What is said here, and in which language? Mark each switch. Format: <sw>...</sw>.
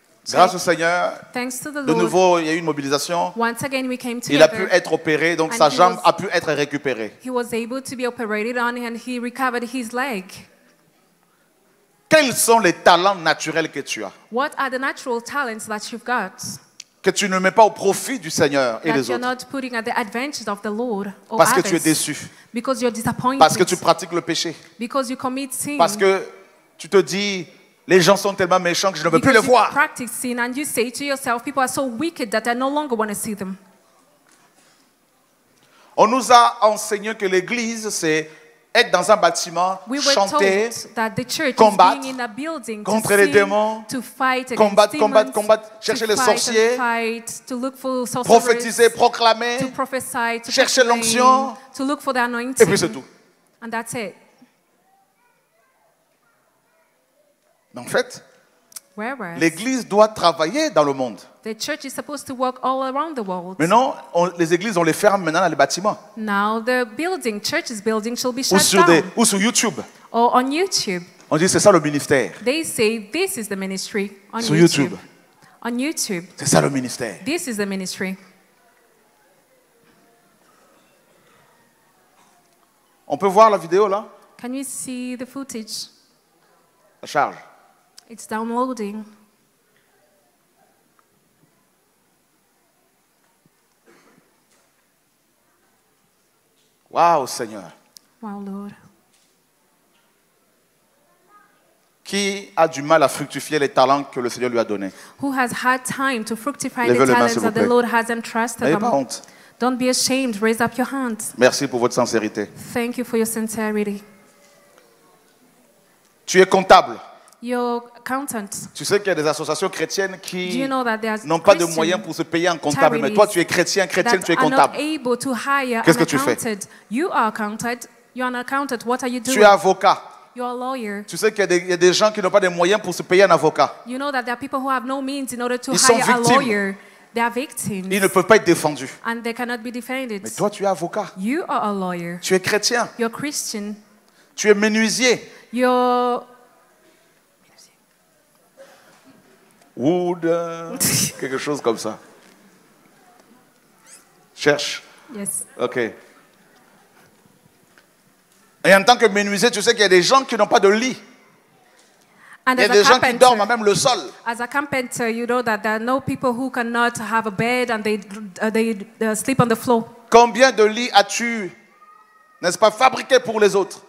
<fr>Grâce au Seigneur, de nouveau, il y a eu une mobilisation.</fr> <en>Once again, we came together,</en> <fr>il a pu être opéré, donc sa jambe a pu être récupérée.</fr> <en>He was able to be operated on and he recovered his leg.</en> <fr>Quels sont les talents naturels que tu as?</fr> <en>What are the natural talents that you've got?</en> <fr>Que tu ne mets pas au profit du Seigneur et des autres.</fr> <en>You're not putting at the advantage of the Lord or others.</en> <fr>Parce que tu es déçu.</fr> <en>Because you're disappointed.</en> <fr>Parce que tu pratiques le péché.</fr> <en>Because you commit sin.</en> <fr>Parce que tu te dis... Les gens sont tellement méchants que je ne veux</fr> <en>Because</en> <fr>plus les voir.</fr> <en>Practice sin and you say to yourself, people are so wicked that I no longer want to see them.</en> <fr>On nous a enseigné que l'église c'est être dans un bâtiment, chanter, combattre contre les démons, combattre, chercher les sorciers, prophétiser, proclamer, chercher l'onction,</fr> <en>to look for the anointing.</en> <fr>Et puis c'est tout.</fr> <en>And that's it.</en> <fr>En fait,</fr> <en>Whereas,</en> <fr>l'église doit travailler dans le monde.</fr> <en>The church is supposed to work all around the world.</en> <fr>Mais non, les églises, on les ferme maintenant dans les bâtiments.</fr> <en>Now the building, church's building shall be shut</en> <fr>ou sur</fr> <en>down.</en> <fr>Des, ou sur YouTube.</fr> <en>Or on YouTube.</en> <fr>On dit c'est ça le ministère.</fr> <en>They say this is the ministry on</en> <fr>sur YouTube.</fr> <en>On YouTube.</en> <fr>C'est ça le ministère.</fr> <en>This is the ministry.</en> <fr>On peut voir la vidéo là?</fr> <en>Can you see the footage?</en> <fr>La charge.</fr> <en>It's downloading.</en> <fr>Wow, Seigneur.</fr> <en>Wow, Lord.</en> <fr>Qui a du mal à fructifier les talents que le Seigneur lui a donnés?</fr> <en>Who has had time to fructify the talents that the Lord has entrusted them?</en> <fr>N'ayez pas honte.</fr> <en>Don't be ashamed. Raise up your hands.</en> <fr>Merci pour votre sincérité.</fr> <en>Thank you for your sincerity.</en> <fr>Tu es comptable.</fr> <en>Your accountant.</en> <fr>Tu sais qu'il y a des associations chrétiennes qui</fr> <en>Do you know that there's</en> <fr>n'ont pas de moyens pour se payer un comptable, mais toi tu es chrétien, chrétienne, tu es comptable.</fr> <en>Are not able to hire</en> <fr>Qu'est-ce</fr> <en>an</en> <fr>que tu fais?</fr> <en>You are accountant. You're an accountant. What are you doing?</en> <fr>Tu es avocat.</fr> <en>You're a lawyer.</en> <fr>Tu sais qu'il y a des gens qui n'ont pas de moyens pour se payer un avocat.</fr> <en>You know that there are people who have no means in order to</en> <fr>Ils</fr> <en>hire</en> <fr>sont</fr> <en>a lawyer. They are victims.</en> <fr>Ils ne peuvent pas être défendus.</fr> <en>And they cannot be defended.</en> <fr>Mais toi tu es avocat.</fr> <en>You are a lawyer.</en> <fr>Tu es chrétien.</fr> <en>You're Christian.</en> <fr>Tu es menuisier.</fr> <en>You're</en> <fr>Wood, quelque chose comme ça. Cherche.</fr> <en>Yes. Ok.</en> <fr>Et en tant que menuisier, tu sais qu'il y a des gens qui n'ont pas de lit.</fr> <en>And</en> <fr>Il y a des gens qui dorment à même le sol.</fr> <en>As a carpenter, you know that there are no people who cannot have a bed and they sleep on the floor.</en> <fr>Combien de lits as-tu, n'est-ce pas, fabriqué pour les autres?</fr>